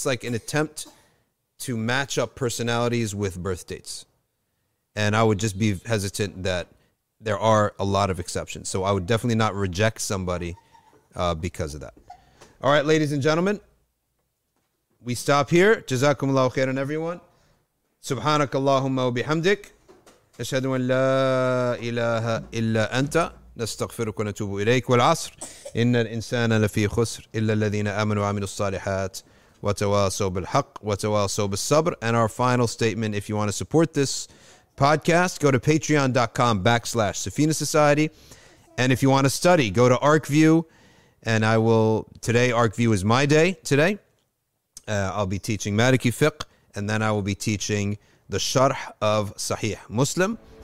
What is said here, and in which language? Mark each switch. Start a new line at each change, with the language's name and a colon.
English: It's like an attempt to match up personalities with birth dates. And I would just be hesitant that there are a lot of exceptions. So I would definitely not reject somebody because of that. All right, ladies and gentlemen, we stop here. Jazakum Allahu khairan, everyone.
Arabic: سبحانك اللهم وبحمدك أشهد أن لا إله إلا أنت نستغفرك ونتوب إليك والعصر إن الإنسان لفي خسر إلا الذين آمنوا وعملوا الصالحات وتواصوا بالحق وتواصوا بالصبر.
English: And our final statement, if you want to support this podcast, go to patreon.com/Safina Society. And if you want to study, go to ArcView. And I will, today ArcView is my day today. I'll be teaching Maliki Fiqh. And then I will be teaching the Sharh of Sahih Muslim.